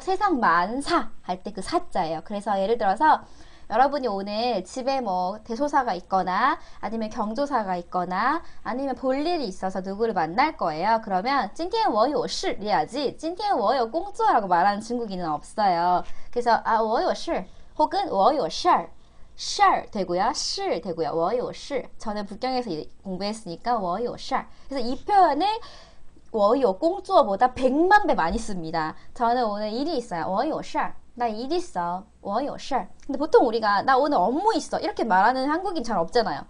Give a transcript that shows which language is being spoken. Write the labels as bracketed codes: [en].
[ko] 세상 만사 할때그 사자예요. 그래서 예를 들어서 여러분이 오늘 집에 뭐 대소사가 있거나 아니면 경조사가 있거나 아니면 볼일이 있어서 누구를 만날 거예요. 그러면 [zh] 今天我有事 [ko] 해야지 [zh] 今天我有工作 [ko] 라고 말하는 중국인은 없어요. 그래서 아 [zh] 我有事 [ko] 혹은 [zh] 我有事儿 事儿 [ko] 되고요. 事 되고요. [zh] 我有事 [ko] 저는 북경에서 공부했으니까 [zh] 我有事儿 [ko] 그래서 이 표현을 [zh] 我有工作 [ko] 보다 100만 배 많이 씁니다. 저는 오늘 일이 있어요. [zh] 我有事儿 [ko] 나일 있어. 我有事儿. 근데 보통 우리가 나 오늘 업무 있어. 이렇게 말하는 한국인 잘 없잖아요.